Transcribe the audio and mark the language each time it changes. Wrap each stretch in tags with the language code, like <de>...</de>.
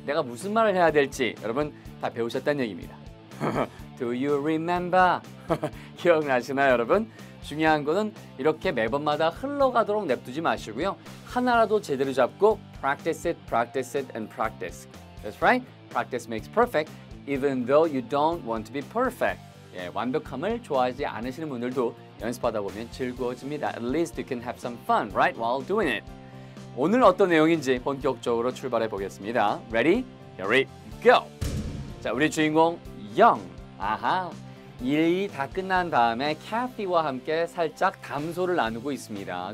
<ko>내가 무슨 말을 해야 될지, 여러분 다 배우셨다는 얘기입니다.</ko> <en>Do you remember?</en> <ko>기억나시나요, 여러분? 중요한 거는 이렇게 매번마다 흘러가도록 냅두지 마시고요. 하나라도 제대로 잡고</ko> <en>practice it, practice it, and practice. That's right. Practice makes perfect, even though you don't want to be perfect.</en> <ko>예, 완벽함을 좋아하지 않으시는 분들도 연습하다 보면 즐거워집니다.</ko> <en>At least you can have some fun, right, while doing it.</en> <ko>오늘 어떤 내용인지 본격적으로 출발해 보겠습니다.</ko> <en>Ready? Here we go!</en> <ko>자, 우리 주인공 영. 아하. 일이 다 끝난 다음에 캐티와 함께 살짝 담소를 나누고 있습니다.</ko>